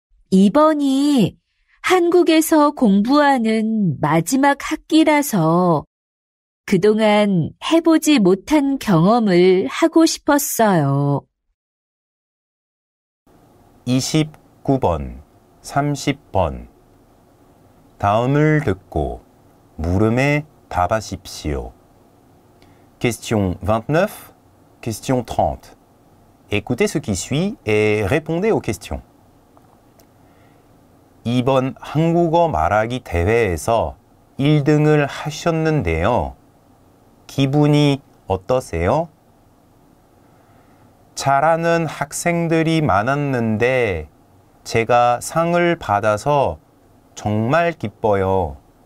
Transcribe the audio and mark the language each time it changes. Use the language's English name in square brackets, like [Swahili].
[Korean] 이번이 한국에서 공부하는 마지막 학기라서 그동안 해보지 못한 경험을 하고 싶었어요. 29번, 30번 다음을 듣고 물음에 답하십시오. [French] Question 29, question 30. Écoutez ce qui suit et répondez aux questions. [Korean] 이번 한국어 말하기 대회에서 1등을 하셨는데요. 기분이 어떠세요? 잘하는 학생들이 많았는데 제가 상을 받아서 정말 기뻐요.